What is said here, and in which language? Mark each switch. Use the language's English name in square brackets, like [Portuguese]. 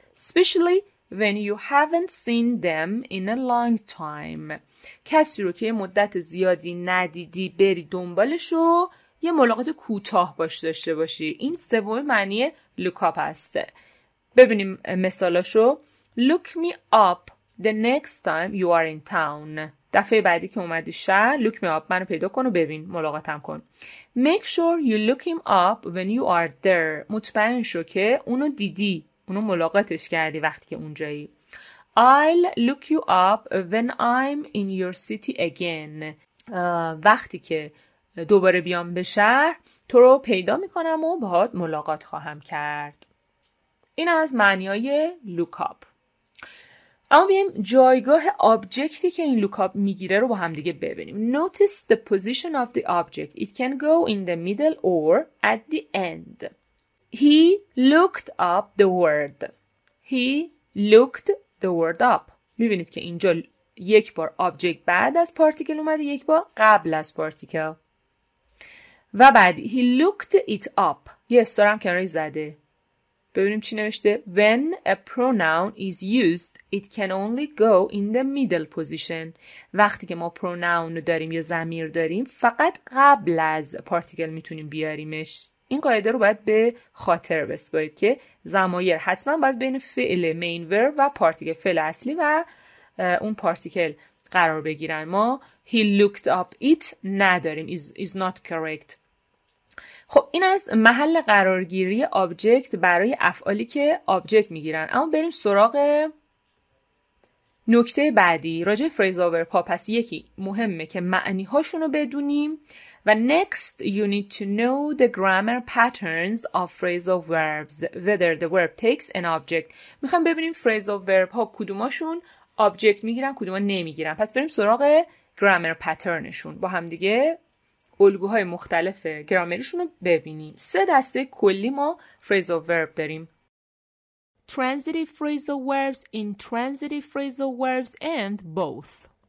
[English] especially when you haven't seen them in a long time. [Persian] کسی رو که مدت زیادی ندیدی بری دنبالش و یه ملاقات کوتاه داشته باشی. این سوم معنی look up است. ببینیم مثالاشو. [English] Look me up the next time you are in town. [Persian] دفعه بعدی که اومدی شهر [English] look me up [Persian] منو پیدا کن و ببین، ملاقاتم کن. [English] Make sure you look him up when you are there. [Persian] مطمئن شو که اونو دیدی، اونو ملاقاتش کردی وقتی که اونجایی. [English] I'll look you up when I'm in your city again. [Persian] وقتی که دوباره بیام به شهر تو رو پیدا میکنم و باهات ملاقات خواهم کرد. این از معنی های look up. اما بیایم جایگاه آبجکتی که این لوکاپ میگیره رو با هم دیگه ببینیم. [English] Notice the position of the object. It can go in the middle or at the end. He looked up the word. He looked the word up. [Persian] میبینید که اینجا یک بار آبجکت بعد از پارتیکل اومده، یک بار قبل از پارتیکل. و بعدی [English] he looked it up. [Persian] یه استار هم کنارش زده. ببینیم چی نوشته. [English] When a pronoun is used, it can only go in the middle position. [Persian] وقتی که ما pronoun رو داریم یا ضمیر داریم، فقط قبل از پارتیکل میتونیم بیاریمش. این قاعده رو باید به خاطر بسپارید که ضمایر حتما باید بین فعل main verb و پارتیکل، فعل اصلی و اون پارتیکل قرار بگیرن. ما [English] he looked up it [Persian] نداریم. [English] is not correct. [Persian] خب این از محل قرارگیری آبجکت برای افعالی که آبجکت میگیرن. اما بریم سراغ نکته بعدی راجع فریز اوور پا. پس یکی مهمه که معنی هاشونو بدونیم و [English] next you need to know the grammar patterns of phrasal verbs, whether the verb takes an object. [Persian] میخوایم ببینیم phrasal verb ها کدوماشون object میگیرن کدوما نمیگیرن. پس بریم سراغ grammar patternشون، با هم دیگه الگوهای مختلف گرامریشون رو ببینیم. سه دسته کلی ما phrasal verb داریم: [English] transitive phrasal verbs, intransitive phrasal verbs and both.